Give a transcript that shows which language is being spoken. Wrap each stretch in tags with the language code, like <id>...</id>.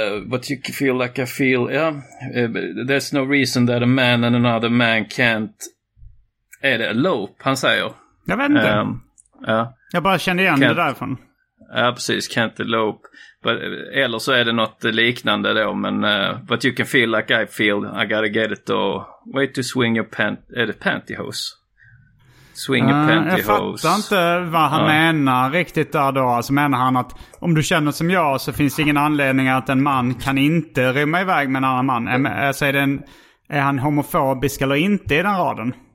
<en>But you feel like I feel, yeah. There's no reason that a man and another man can't.</en> <sv>Är det elope, han säger? Jag vet inte. Jag bara kände igen det därifrån. Ja, precis,</sv> <en>can't elope.</en> <sv>Eller så är det något liknande då, men</sv> <en>but you can feel like I feel, I gotta get it though. Wait to swing your pantyhose. Swing your pantyhose.</en> <sv>Jag fattar inte vad han menar riktigt där då. Alltså menar han att om du känner som jag så finns det ingen anledning att en man kan inte rymma iväg med en annan man. Alltså är han homofobisk eller inte i den raden?</sv>